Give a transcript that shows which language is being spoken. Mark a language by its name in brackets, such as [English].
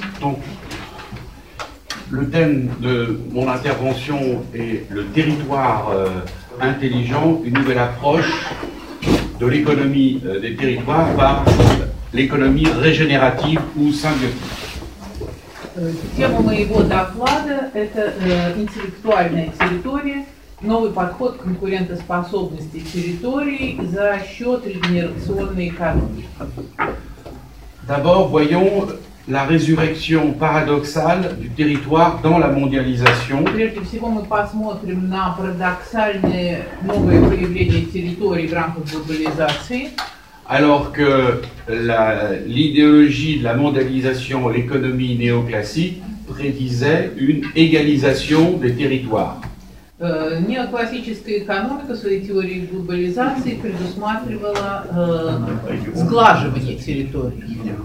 [French] Donc, le thème de mon intervention est le territoire intelligent, une nouvelle approche de l'économie des territoires par l'économie régénérative ou symbiotique. [Russian] Тема моего доклада – это интеллектуальная территория, новый подход к конкурентоспособности территории за счет регенерационной экономики. [French] D'abord, voyons la résurrection paradoxale du territoire dans la mondialisation. [Russian] Прежде всего, мы посмотрим на парадоксальное новое появление территории в рамках глобализации. [French] Alors que l'idéologie de la mondialisation, l'économie néoclassique, prédisait une égalisation des territoires. Néoclassique économique, dans sa théorie de la globalisation, prédisait [Russian] сглаживание территорий.